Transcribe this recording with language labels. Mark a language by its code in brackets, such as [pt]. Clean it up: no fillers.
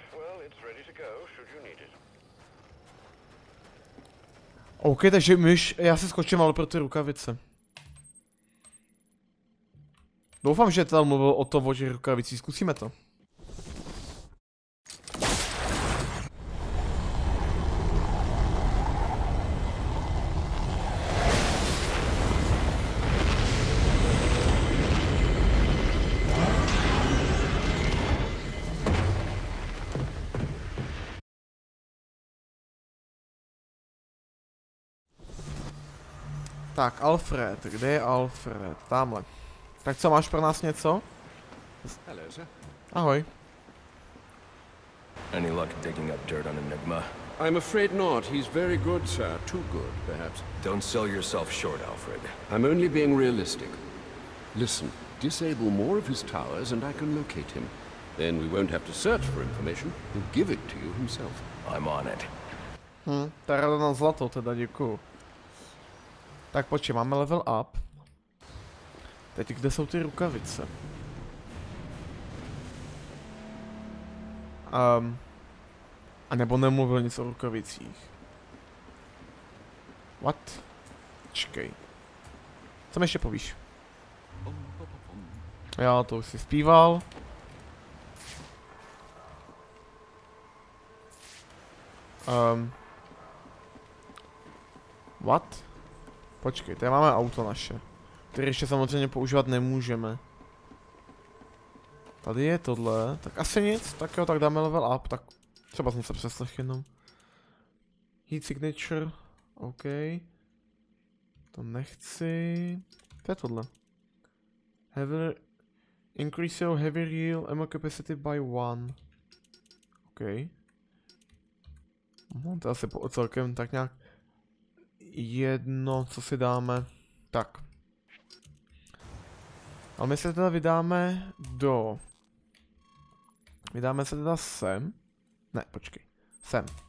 [en] Well, it's ready to go, should you need it. [cs] OK, takže myš, já se skočím ale pro ty rukavice. Doufám, že tam mluvil o to o těch rukavicích, zkusíme to. Tak, Alfred, kde je Alfred? Tamhle. Tak co, máš pro nás něco? [en] Hello, sir. [cs] Ahoj. [en] Any luck digging up dirt on Enigma? I'm afraid not. He's very good, sir. Too good, perhaps. Don't sell yourself short, Alfred. I'm only being realistic. Listen, disable more of his towers and I can locate him. Then we won't have to search for information. He'll give it to you himself. I'm on it. [cs] Ta rada na zlato teda, děkuju. Tak počkej, máme level up. Teď kde jsou ty rukavice? A nebo nemluvil nic o rukavicích. [en] What? [cs] Čkej. Co mi ještě povíš? Já to už si zpíval. [en] What? [cs] Počkej, tady máme auto naše. Který ještě samozřejmě používat nemůžeme. Tady je tohle, tak asi nic, tak jo, tak dáme level up, tak třeba jsem se přeslech jenom. [en] Heat signature, OK. [cs] To nechci. To je tohle. [en] Heavier, increase your heavy reel ammo capacity by one. OK. [cs] To asi po celkem tak nějak jedno, co si dáme. Tak. A my se teda vydáme do... Vydáme se teda sem. Ne, počkej. Sem.